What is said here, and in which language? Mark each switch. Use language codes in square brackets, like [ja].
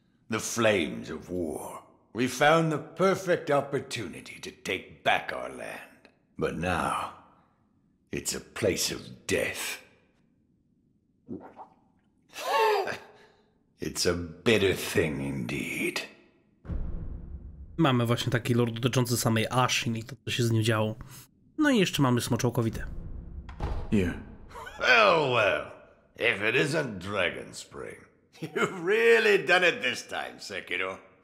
[en] The flames of war. We found the perfect opportunity to take back our land. But now, it's a place of death. It's a bitter thing indeed. [pl] Mamy właśnie taki lore dotyczący samej Ashin i to, co się z nią działo. No i jeszcze mamy smoczołkowite. [en] Yeah. Well, well. If it isn't Dragon Spring, you've really done it this time, Sekiro.